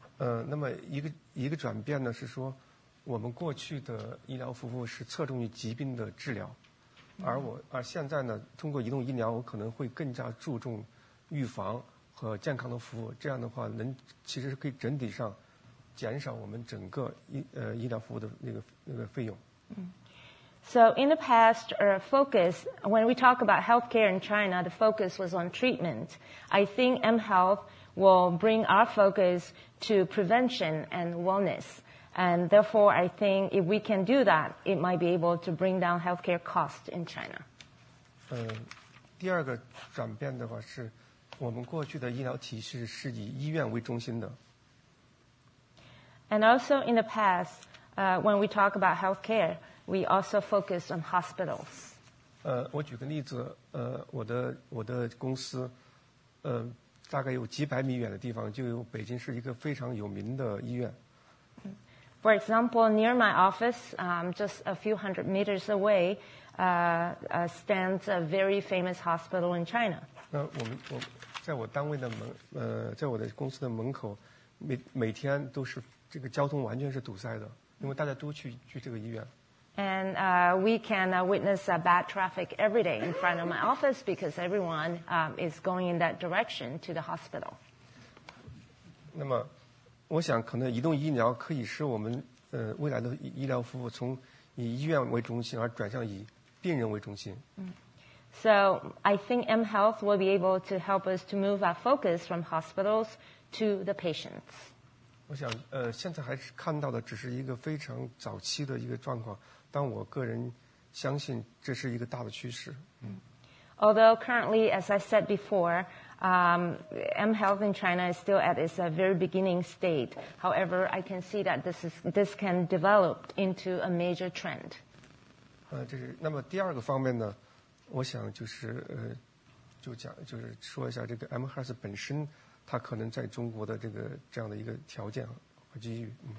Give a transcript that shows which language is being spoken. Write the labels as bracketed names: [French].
[Chinese] 那么一个转变呢是说，我们过去的医疗服务是侧重于疾病的治疗，而现在呢，通过移动医疗，我可能会更加注重预防和健康的服务。这样的话能其实是可以整体上减少我们整个医疗服务的那个费用。 [English] So in the past, our focus, when we talk about healthcare in China, the focus was on treatment. I think mHealth will bring our focus to prevention and wellness. And therefore, I think if we can do that, it might be able to bring down healthcare costs in China. [Chinese] 第二个转变的话是我们过去的医疗体系是以医院为中心的。 [English] And also in the past, when we talk about healthcare,We also focus on hospitals. [Chinese] 我举个例子，我的公司，大概有几百米远的地方，就有北京市一个非常有名的医院。 [English] For example, near my office, just a few hundred meters away, stands a very famous hospital in China. [Chinese] 我在我单位的门，在我的公司的门口，每天都是这个交通完全是堵塞的，因为大家都去这个医院。 [English] And we can witness bad traffic every day in front of my office because everyone is going in that direction to the hospital. [Chinese] 那么，我想可能移动医疗可以使我们未来的医疗服务从以医院为中心而转向以病人为中心。 [English] So I think mHealth will be able to help us to move our focus from hospitals to the patients. [Chinese] 我想现在还是看到的只是一个非常早期的一个状况。但我个人相信这是一个大的趋势。 [English] Although currently, as I said before, mHealth in China is still at its very beginning state. However, I can see that this can develop into a major trend. [Chinese] 这是那么第二个方面呢？我想就是就是说一下这个 mHealth 本身，它可能在中国的这样的一个条件和机遇。